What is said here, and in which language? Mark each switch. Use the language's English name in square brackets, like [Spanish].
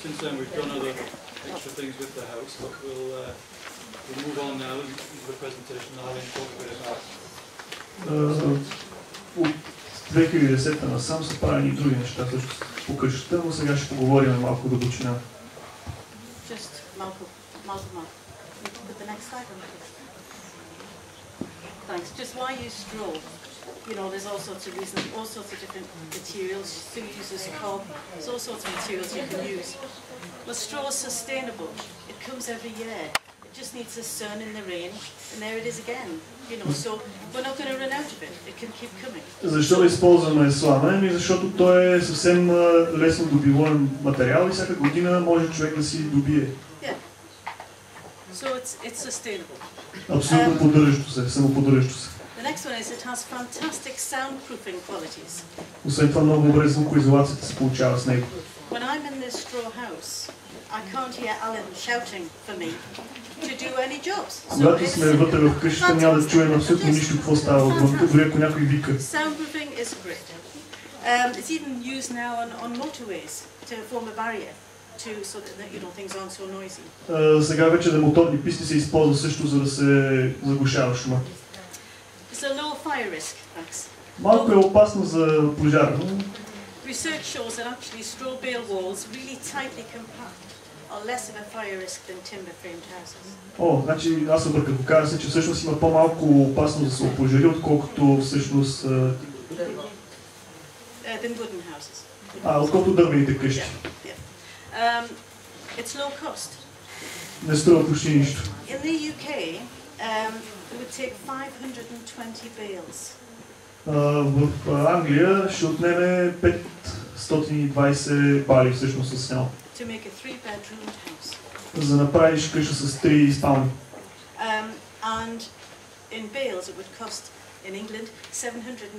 [English] Since then we've done other extra things with the house, but we'll move on now into the presentation that I'll talk a bit about. [Bulgarian] От 2010-та насам са правени други неща, също по къщата, но сега ще поговорим малко дълбочина. [English] Just [Bulgarian] малко. [English] The next item. Thanks. Just why use straw? You know, there's all sorts of reasons, all sorts of different materials. Who uses cob? There's all sorts of materials you can use. But straw is sustainable. It comes every year. It just needs the sun and the rain, and there it is again. You know, so we're not going to run out of it. It can keep coming. [Bulgarian] Защо да използваме слама? Ами защото той е съвсем лесно добиваем материал и всяка година може човек да си добие. [English] Yeah. So it's sustainable. [Bulgarian] Абсолютно поддържащо се, самоподдържащо се. [English] The next one is it has fantastic soundproofing qualities. [Bulgarian] Освен това много добре звукоизолацията се получава с него. [English] When I'm in this straw house, I can't hear Alan shouting for me to do any jobs. [Bulgarian] Когато сме вътре в къщата, няма да чуем абсолютно нищо какво става отвън, дори ако някой вика. [English] Soundproofing is great. It's even used now on motorways to form a barrier to so that you know things aren't so noisy. [Bulgarian] Сега вече на моторни писти се използва също за да се заглушава шума. [English] It's a low fire risk, thanks. [Bulgarian] Малко е опасно за пожар. [English] Research shows that actually straw bale walls really tightly compact are less of a fire risk than timber framed houses. [Bulgarian] О, значи аз объркам. Казва се, че всъщност има по-малко опасност да се опожари, отколкото всъщност... [English] Than wooden houses. [Bulgarian] Отколкото дървените къщи. [English] Yeah, yeah. It's low cost. [Bulgarian] Не струва почти нищо. [English] In the UK, it would take 520 bales. [Bulgarian] В Англия ще отнеме 520 бали всъщност с него. [English] To make a three-bedroom house. [Bulgarian] За да направиш къща с три спални. [English] And in bales it would cost in England £780.